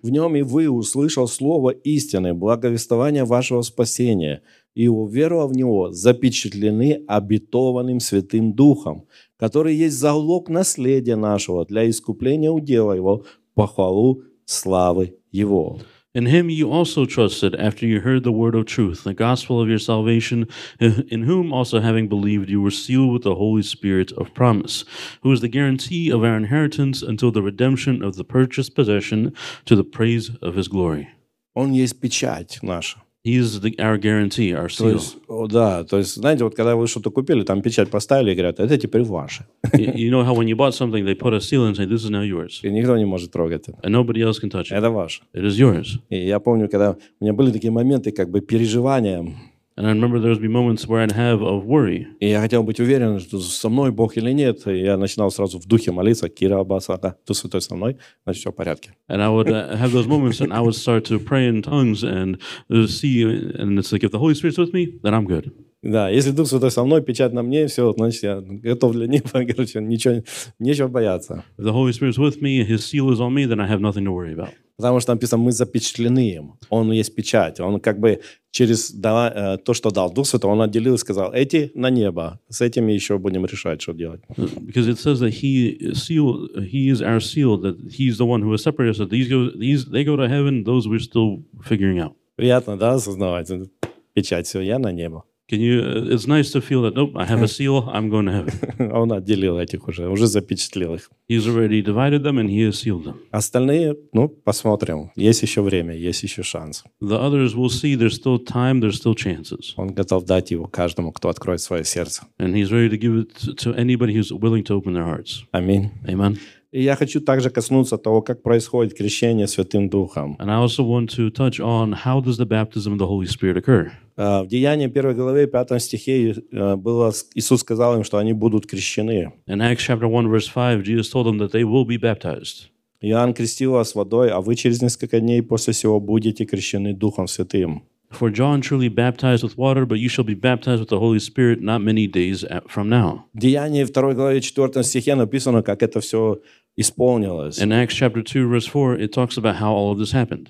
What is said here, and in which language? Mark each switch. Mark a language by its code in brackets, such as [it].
[ru] В нем и вы услышал слово истины, благовествование вашего спасения. И уверовав в Него, запечатлены обетованным Святым Духом, который есть залог наследия нашего для искупления удела Его по хвалу славы Его. [en] In Him you also trusted after you heard the word of truth, the gospel of your salvation, in whom also having believed you were sealed with the Holy Spirit of promise, who is the guarantee of our inheritance until the redemption of the purchased possession to the praise of His glory. [ru] Он есть печать наша. [en] He is our guarantee, our seal. [ru] То есть, да, то есть, знаете, вот когда вы что-то купили, там печать поставили и говорят, это теперь ваше. [en] You know how when you bought something, they put a seal and say, this is now yours. [ru] И никто не может трогать это. [en] And nobody else can touch it. [ru] Это ваше. [en] It is yours. [ru] И я помню, когда у меня были такие моменты, как бы переживания. [en] And I remember there would be moments where I'd have of worry. [ru] И я хотел быть уверен, что со мной Бог или нет, и я начинал сразу в духе молиться: Кира Басака, ты святой со мной, значит, все в порядке. [en] And I would have those moments and I would start to pray in tongues and see, and it's like, if the Holy Spirit's with me, then I'm good. [ru] Да, если Дух Святой со мной, печать на мне, все, значит, я готов для неба, короче, ничего, нечего бояться. [en] If the Holy Spirit's with me, his seal is on me, then I have nothing to worry about. [ru] Потому что там написано, мы запечатлены им. Он есть печать. Он как бы через то, что дал Дух Святой, он отделил и сказал, эти на небо. С этими еще будем решать, что делать. [en] Because it says that he is our seal, that he's the one who has separated us, that they go to heaven, those we're still figuring out. [ru] Приятно, да, осознавать? Печать, все, я на небо. [en] It's nice to feel that, nope, I have a seal, I'm going to heaven. [ru] Он отделил этих уже, уже запечатлел их. [en] He's already divided them and he has sealed them. [ru] Остальные, ну, посмотрим. Есть еще время, есть еще шанс. [en] The others will see, there's still time, there's still chances. [ru] Он готов дать его каждому, кто откроет свое сердце. [en] And he's ready to give it to anybody who's willing to open their hearts. Amen. Amen. [ru] И я хочу также коснуться того, как происходит крещение Святым Духом. [en] And I also want to touch on how does the baptism of the Holy Spirit occur. [ru] В Деянии 1 главе 5 стихе было, Иисус сказал им, что они будут крещены. [en] In Acts chapter 1 verse 5, Jesus told them that they will be baptized. [ru] Иоанн крестил вас водой, а вы через несколько дней после сего будете крещены Духом Святым. [en] For John truly baptized with water, but you shall be baptized with the Holy Spirit not many days from now. [ru] Деяния 2 главе 4 стихе написано, как это все исполнилось. [en] In Acts chapter 2 verse 4, it talks about how all of this happened.